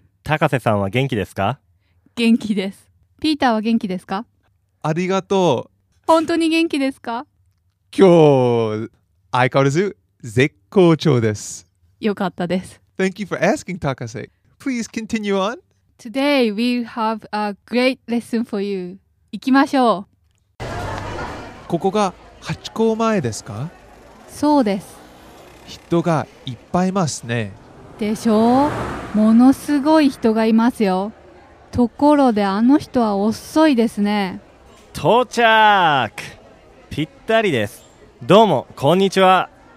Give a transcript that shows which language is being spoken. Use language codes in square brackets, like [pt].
[ja] 高瀬さんは元気ですか？元気です。ピーターは元気ですか？ありがとう。本当に元気ですか？今日、相変わらず絶好調です。よかったです。 [en] Thank you for asking, Takase. Please continue on. Today, we have a great lesson for you. [ja] 行きましょう。ここがハチ公前ですか？そうです。人がいっぱいいますね。でしょう？ものすごい人がいますよ。ところで、あの人は遅いですね。到着！ぴったりです。どうも、こんにちは。